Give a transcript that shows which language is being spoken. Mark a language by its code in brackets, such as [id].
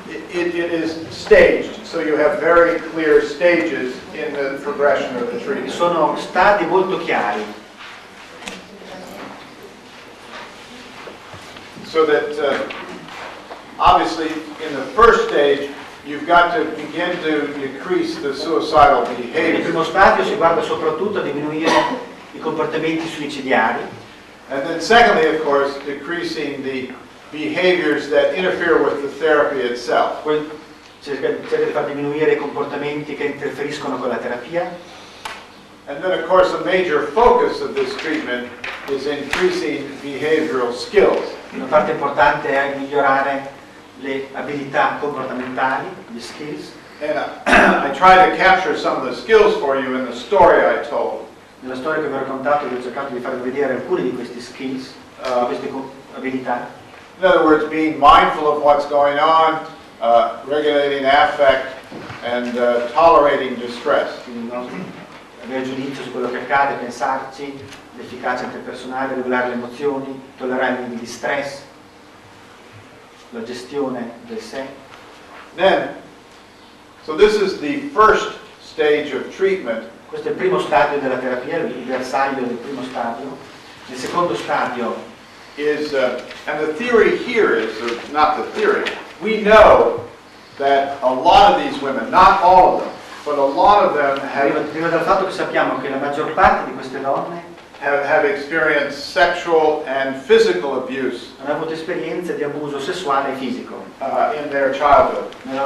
[en] It is staged, so you have very clear stages in the progression of the treatment. [it] Sono stadi molto chiari. [en] So that obviously in the first stage you've got to begin to decrease the suicidal behavior. [it] Nel primo stadio si guarda soprattutto a diminuire i comportamenti suicidiari. [en] And then secondly, of course, decreasing the behaviors that interfere with the therapy itself. [it] Cerca di far diminuire i comportamenti che interferiscono con la terapia. [en] And then of course a major focus of this treatment is increasing behavioral skills. [it] Una parte importante è migliorare le abilità comportamentali, gli skills. [en] And I try to capture some of the skills for you in the story I told. [it] Nella storia che vi ho raccontato, vi ho cercato di farvi vedere alcune di questi skills, di queste abilità. [en] In other words, being mindful of what's going on, regulating affect, and tolerating distress. [it] Avere giudizio su quello che accade, pensarci, l'efficacia interpersonale, regolare le emozioni, tollerare il distress, la gestione del sé. [en] Then, so this is the first stage of treatment. [it] Questo è il primo stadio della terapia, il bersaglio del primo stadio. Il secondo stadio [en] is, and the theory here is, not the theory, we know that a lot of these women, not all of them, but a lot of them have experienced sexual and physical abuse in their childhood.